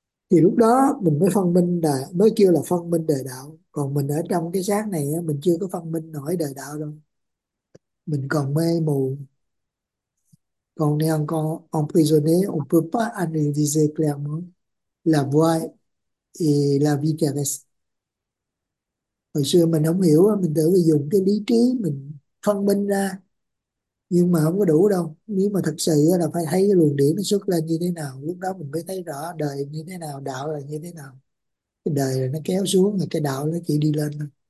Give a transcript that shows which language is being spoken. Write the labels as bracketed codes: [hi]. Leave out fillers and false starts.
[vi] Thì lúc đó mình mới phân minh, mới kêu là phân minh đại đạo. Còn mình ở trong cái xác này, mình chưa có phân minh nổi đại đạo đâu. Mình còn mê mù. Còn nếu ông còn [fr] emprisonné, on peut pas analyser clairement la voie et la vie terrestre. [vi] Hồi xưa mình không hiểu, mình tưởng là dùng cái lý trí mình phân minh ra, nhưng mà không có đủ đâu. Nếu mà thật sự là phải thấy cái luồng điển nó xuất lên như thế nào, lúc đó mình mới thấy rõ đời như thế nào, đạo là như thế nào. Cái đời là nó kéo xuống, là cái đạo nó chỉ đi lên thôi.